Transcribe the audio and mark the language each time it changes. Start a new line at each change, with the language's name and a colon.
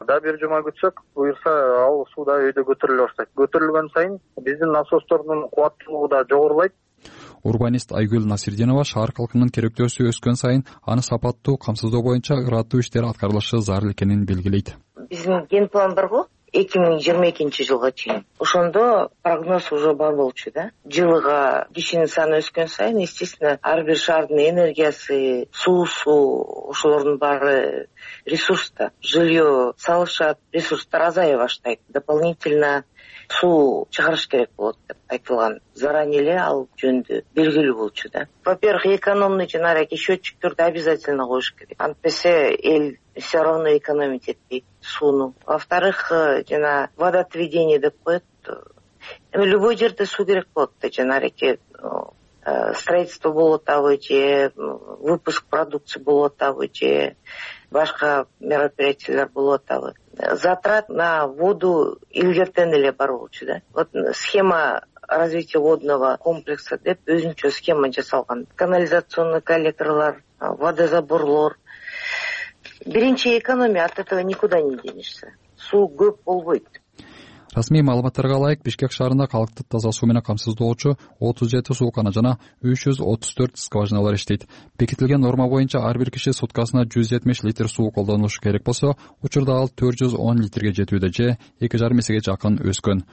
Kyrgyz: Да бир жума күтсөк, буюрса ал суу да өйдө көтөрүлө баштайт. Көтөрүлгөн сайын биздин насостордун кубаттуулугу да жогорулайт. Урбанист Айгүл Насирденова шаар калкынын керектөөсү өскөн сайын аны сапаттуу камсыздоо боюнча ырааттуу иштер аткарылышы зарыл экенин белгилейт. Биздин ген план бар го 2022 жылга чейин. Ошондо прогноз уже бар болчу да. Жылыга кишинин саны өскөн сайын,
Russian: естественно,
Kyrgyz: ар бир шаардын энергиясы, суусу, ошолордун баары ресурста. Жылье салышат, ресурстар азая баштайт.
Russian: Дополнительно
Kyrgyz: суу чыгарыш керек болот деп айтылган.
Russian: Заранее
Kyrgyz: эле ал жөнүндө белгилүү болчу да.
Russian: Во-первых, экономный
Kyrgyz: жанараки счетчиктерди
Russian: обязательно
Kyrgyz: коюш керек. Антпесе эл
Russian: все равно экономить
Kyrgyz: этпейт сууну.
Russian: Во-вторых,
Kyrgyz: жана
Russian: водоотведение
Kyrgyz: деп коет. Эми любой жерде суу керек болот да, жанараки строительство болуп атабы же
Russian: выпуск продукции
Kyrgyz: болуп атабы же башка мероприятиялар болуп атабы.
Russian: Затрат на воду
Kyrgyz: илгертен эле бар болчу да.
Russian: Вот схема развития водного комплекса
Kyrgyz: деп өзүнчө схема жасалган.
Russian: Канализационный коллекторлор, водозаборлор.
Kyrgyz: Биринчи экономия,
Russian: от этого никуда не денешься.
Kyrgyz: Суу көп болбойт. Расмий маалыматтарга ылайык, Бишкек шаарында калкты таза суу менен камсыздоочу 37 суу кана жана 334 скважиналар иштейт. Бекитилген норма боюнча ар бир киши суткасына 170 литр суу колдонушу керек болсо, учурда ал 410 литрге жетүүдө же 2,5 эсеге жакын өскөн.